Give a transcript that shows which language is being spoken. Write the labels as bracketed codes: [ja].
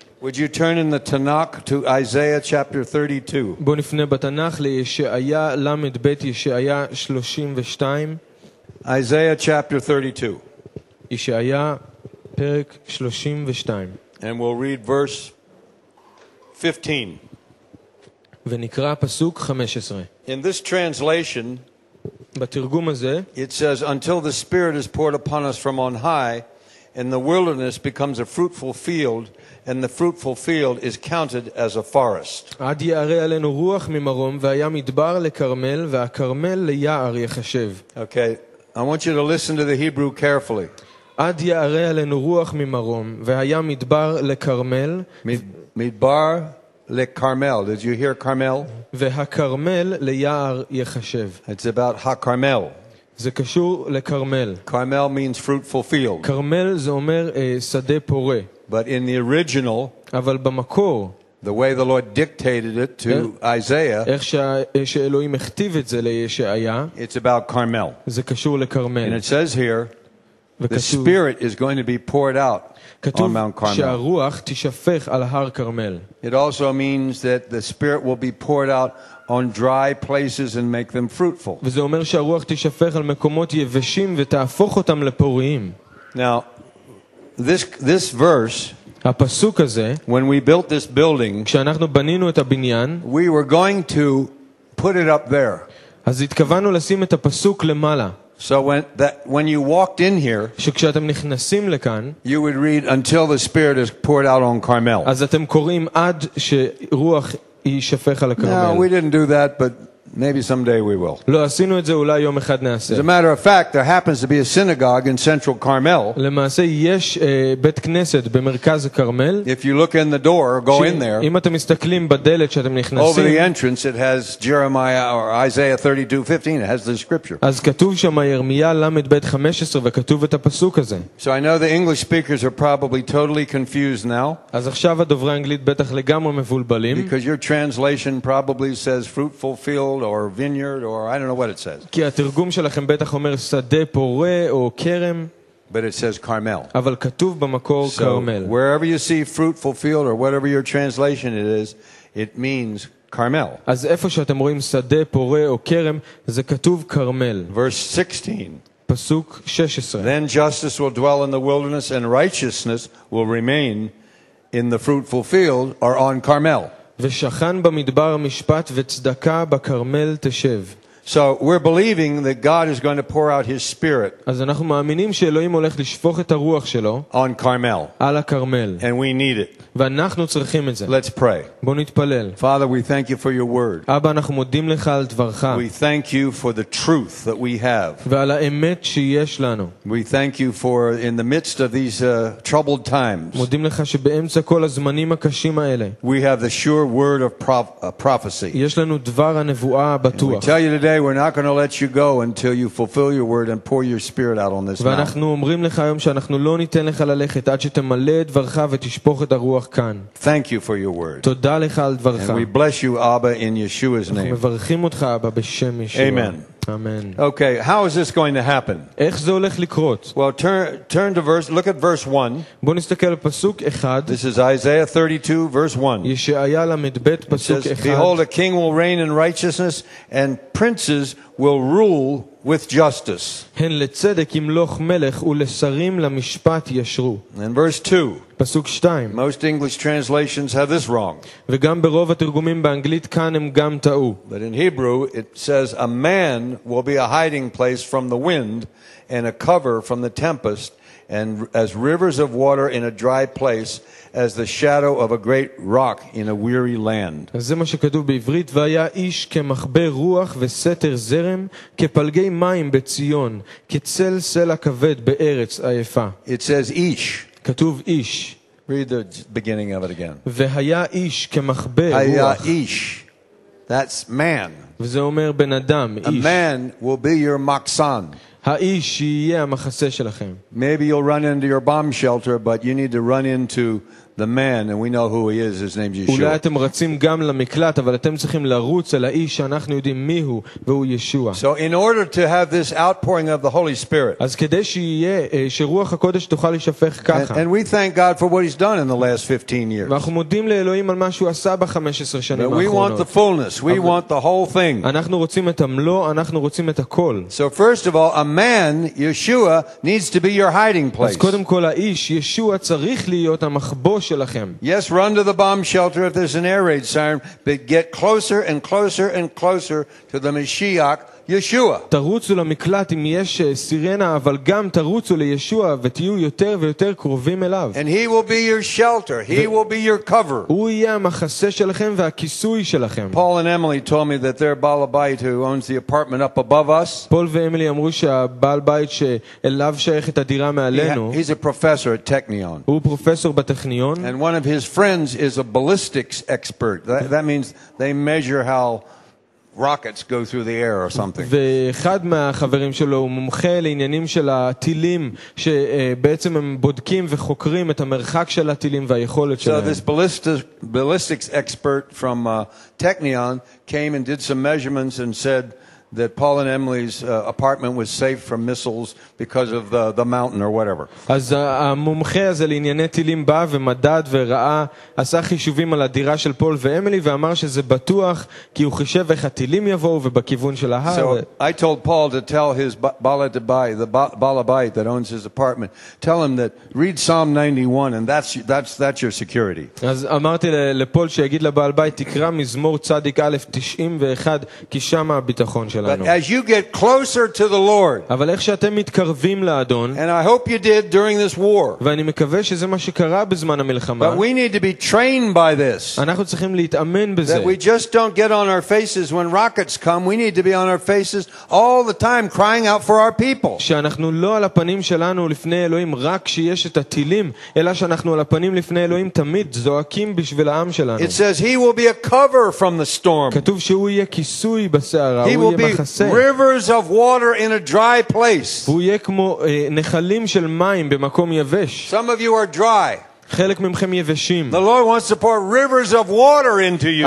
[en] Would you turn in the Tanakh to Isaiah chapter 32? [he] בוא נפנה בתנ"ך לישעיה למד בית ישעיה 32. [en] Isaiah chapter 32. [he] ישעיה פרק 32. [en] And we'll read verse 15. [he] ונקרא פסוק 15. [en] In this translation, [he] בתרגום הזה, [en] it says, "Until the Spirit is poured upon us from on high, and the wilderness becomes a fruitful field, and the fruitful field is counted as a forest." [he] עד יערה עלינו רוח ממרום, והיה מדבר לכרמל, והכרמל ליער יחשב. [en] Okay, I want you to listen to the Hebrew carefully. [he] עד יערה עלינו רוח ממרום, והיה מדבר לכרמל. מדבר לכרמל. [en] Did you hear Carmel? [he] והכרמל ליער יחשב. [en] It's about ha-Carmel. [he] זה קשור לכרמל. [en] Carmel means fruitful field. [he] כרמל זה אומר שדה פורה. [en] But in the original, [he] אבל במקור, [en] the way the Lord dictated it to Isaiah, [he] איך שאלוהים הכתיב את זה לישעיה, [en] it's about Carmel. [he] זה קשור לכרמל. [en] And it says here, the Spirit is going to be poured out on Mount Carmel. [he] כתוב שהרוח תשפך על הר כרמל. [en] It also means that the Spirit will be poured out on dry places and make them fruitful. [he] וזה אומר שהרוח תשפך על מקומות יבשים ותהפוך אותם לפוריים. [en] Now, this verse, [he] הפסוק הזה, [en] when we built this building, [he] כשאנחנו בנינו את הבניין, [en] we were going to put it up there. [he] אז התכוונו לשים את הפסוק למעלה. [en] So when you walked in here, [he] כשאתם נכנסים לכאן, [en] you would read until the Spirit is poured out on Carmel. [he] אז אתם קוראים עד שרוח יישפך על הכרמל. [en] No, we didn't do that, but maybe someday we will. [he] לא, עשינו את זה, אולי יום אחד נעשה. [en] As a matter of fact, there happens to be a synagogue in central Carmel. [he] למעשה יש בית כנסת במרכז הכרמל. [en] If you look in the door, go in there. [he] אם אתם מסתכלים בדלת שאתם נכנסים, [en] over the entrance it has Jeremiah or Isaiah 32:15. It has the scripture. [he] אז כתוב שם ירמיה למד בית 15 וכתוב את הפסוק הזה. [en] So I know the English speakers are probably totally confused now. [he] אז עכשיו הדוברי האנגלית בטח לגמרי מבולבלים. [en] Because your translation probably says fruitful field or vineyard or I don't know what it says. [he] כי התרגום שלכם בטח אומר שדה פורה או כרם. [en] But it says Carmel. [he] אבל כתוב במקור כרמל. [en] So wherever you see fruitful field or whatever your translation it is, it means Carmel. [he] אז איפה שאתם רואים שדה פורה או כרם, זה כתוב כרמל. [en] Verse 16. [he] פסוק 16. [en] Then justice will dwell in the wilderness and righteousness will remain in the fruitful field or on Carmel. [he] ושכן במדבר משפט וצדקה בכרמל תשב. [en] So we're believing that God is going to pour out his spirit. [he] אז אנחנו מאמינים שאלוהים הולך לשפוך את הרוח שלו [en] on Carmel. [he] על הכרמל. [en] And we need it. [he] ואנחנו צריכים את זה. [en] Let's pray. [he] בוא נתפלל. [en] Father, we thank you for your word. [he] אבא, אנחנו מודים לך על דברך. [en] We thank you for the truth that we have. [he] ועל האמת שיש לנו. [en] We thank you for in the midst of these troubled times. [he] מודים לך שבאמצע כל הזמנים הקשים האלה. [en] We have the sure word of prophecy. [he] יש לנו דבר הנבואה הבטוח. [en] We tell you today, we're not going to let you go until you fulfill your word and pour your spirit out on this mountain. [he] ואנחנו אומרים לך היום שאנחנו לא ניתן לך ללכת עד שתמלא את דברך ותשפוך את הרוח כאן. [en] Thank you for your word. [he] תודה לך על דברך. [en] And we bless you, Abba, in Yeshua's name. [he] אנחנו מברכים אותך, אבא, בשם ישוע. [en] Amen. [he] Amen. [en] Okay, how is this going to happen? [he] איך זה הולך לקרות? [en] Well, turn to verse, look at verse 1. [he] בוא נסתכל בפסוק 1. [en] This is Isaiah 32 verse 1. [he] ישעיה למ"ב פסוק 1. [en] Behold, a king will reign in righteousness and princes will rule with justice. [he] הן לצדק ימלוך מלך ולשרים למשפט ישרו. [en] And verse 2. [he] פסוק 2. [en] Most English translations have this wrong. [he] וגם ברוב התרגומים באנגלית כאן הם גם טעו. [en] But in Hebrew it says a man will be a hiding place from the wind and a cover from the tempest and as rivers of water in a dry place as the shadow of a great rock in a weary land. [he] אז זה מה שכתוב בעברית, והיה איש כמחבא רוח וסתר זרם, כפלגי מים בציון, כצל סלע כבד בארץ עייפה. [en] It says [he] איש. כתוב איש. [en] Read the beginning of it again. [he] והיה איש כמחבא רוח. היה איש. [en] That's man. [he] וזה אומר בן אדם, איש. [en] A man will be your [he] מחסן. האיש יהיה המחסה שלכם. [en] Maybe you'll run into your bomb shelter, but you need to run into the man, and we know who he is. His name is Yeshua. [he] אולי אתם רצים גם למקלט, אבל אתם צריכים לרוץ אל האיש שאנחנו יודעים מי הוא, והוא ישוע. [en] So in order to have this outpouring of the Holy Spirit, [he] אז כדי שיהיה שרוח הקודש תוכל לשפך ככה. [en] And we thank God for what he's done in the last 15 years. [he] ואנחנו מודים לאלוהים על מה שהוא עשה ב-15 שנים האחרונות. [en] We want the fullness. We want the whole thing. [he] אנחנו רוצים את המלוא, אנחנו רוצים את הכל. [en] So first of all, a man, Yeshua, needs to be your hiding place. [he] אז קודם כל האיש, ישוע, צריך להיות המחבוא שלכם. [en] Yes, run to the bomb shelter if there's an air raid siren, but get closer and closer and closer to the Mashiach, Yeshua. [he] תרוצו למקלט אם יש סירנה, אבל גם תרוצו לישוע ותהיו יותר ויותר קרובים אליו. [en] And he will be your shelter. He will be your cover. [he] הוא יהיה המחסה שלכם והכיסוי שלכם. [en] Paul and Emily told me that their Baal Bayit who owns the apartment up above us. [he] פול ואמילי אמרו שהבעל בית שאליו שייכת הדירה מעלינו. [en] He's a professor at Technion. [he] הוא פרופסור בטכניון. [en] And one of his friends is a ballistics expert. That means they measure how rockets go through the air or something. [he] ואחד מהחברים שלו הוא מומחה לעניינים של הטילים שבעצם הם בודקים וחוקרים את המרחק של הטילים והיכולת שלהם. [en] So this ballistics expert from Technion came and did some measurements and said that Paul and Emily's apartment was safe from missiles because of the mountain or whatever. [he] אז המומחה הזה לענייני טילים בא ומדד וראה, עשה חישובים על הדירה של פול ואמילי ואמר שזה בטוח כי הוא חישב איך הטילים יבואו ובכיוון של ההר. [en] So I told Paul to tell his Baal Bayit, the Baal Bayit that owns his apartment, tell him that read Psalm 91 and that's your security. [he] אז אמרתי לפול שיגיד לבעל בית תקרא מזמור צדיק א' 91 כי שם הביטחון. [en] But as you get closer to the Lord, [he] אבל איך שאתם מתקרבים לאדון, [en] and I hope you did during this war, [he] ואני מקווה שזה מה שקרה בזמן המלחמה, [en] but we need to be trained by this, [he] אנחנו צריכים להתאמן בזה, [en] that we just don't get on our faces when rockets come, we need to be on our faces all the time crying out for our people, [he] שאנחנו לא על הפנים שלנו לפני אלוהים רק כשיש את הטילים, אלא שאנחנו על הפנים לפני אלוהים תמיד זועקים בשביל העם שלנו. [en] It says he will be a cover from the storm, [he] כתוב שהוא יהיה כיסוי בסערה, [en] be rivers of water in a dry place. [he] ויהיה כמו נחלים של מים במקום יבש. [en] Some of you are dry. [he] חלק ממכם יבשים. [en] The Lord wants to pour rivers of water into you.